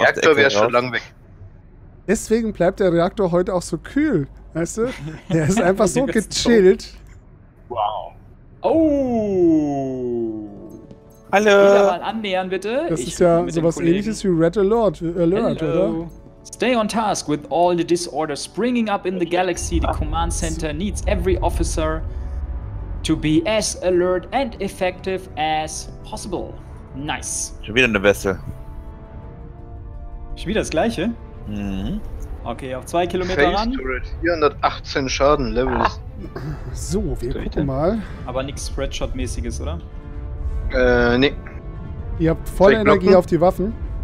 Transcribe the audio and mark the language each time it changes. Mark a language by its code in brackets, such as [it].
[de] auf der Ecke. Der Reaktor wäre schon lang weg. Deswegen bleibt der Reaktor heute auch so kühl, weißt du? Der ist einfach so gechillt. Wow. Oh. Hallo. Ich will mal annähern, bitte. Das ist ja sowas ähnliches wie Red Alert, oder? [en] Stay on task with all the disorders springing up in the galaxy. The command center needs every officer to be as alert and effective as possible. Nice. [de] Schon wieder eine Weste. Schon wieder das gleiche? Mhm. Okay, auf 2 Kilometer ran. Phase Turret, 418 Schaden, Levels. So, wir gucken mal. Aber nichts Spreadshot-mäßiges, oder? Nee. Ihr habt volle Energie auf die Waffen.